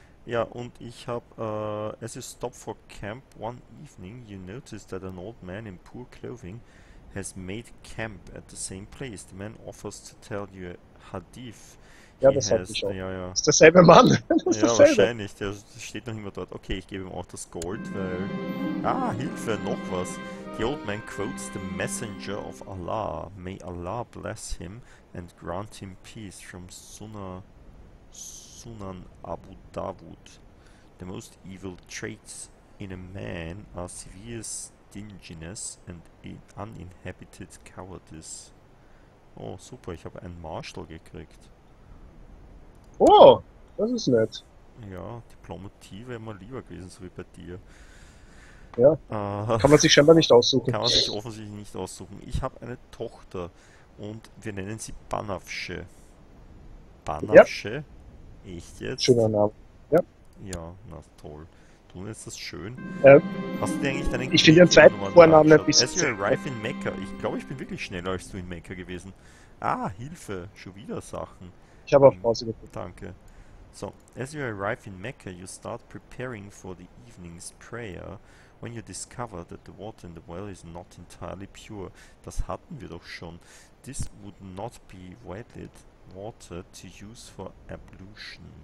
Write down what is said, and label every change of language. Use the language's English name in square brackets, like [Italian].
[German] Ja, und ich hab, [English] as you stop for camp one evening, you notice that an old man in poor clothing has made camp at the same place. The man offers to tell you a hadith. [German] Ja, das hat mich auch. Ja. Ist derselbe Mann. Das ja, wahrscheinlich. Der steht noch immer dort. Okay, ich gebe ihm auch das Gold, weil. Ah, Hilfe, noch was. [English] The old man quotes the messenger of Allah. May Allah bless him and grant him peace from Sunan Abu Dawud. The most evil traits in a man are severe stinginess and uninhabited cowardice. [German] Oh, super, ich habe einen Marshal gekriegt. Oh, das ist nett. Ja, Diplomatie wäre immer lieber gewesen, so wie bei dir. Ja, kann man sich scheinbar nicht aussuchen. Kann man sich offensichtlich nicht aussuchen. Ich habe eine Tochter und wir nennen sie Banafsche. Banafsche? Ja. Echt jetzt? Schöner Name. Ja, ja, na toll. Du tun, ist das schön. Hast du dir eigentlich deinen Vornamen ein bisschen... [English] Ezreal Rife in Mecca. [German] Ich glaube, ich bin wirklich schneller als du in Mecca gewesen. Ah, Hilfe. Schon wieder Sachen. Ich habe auf Pause gedrückt. Danke. [English] So, as you arrive in Mecca, you start preparing for the evening's prayer, when you discover that the water in the well is not entirely pure. [German] Das hatten wir doch schon. [English] This would not be wetted water to use for ablution.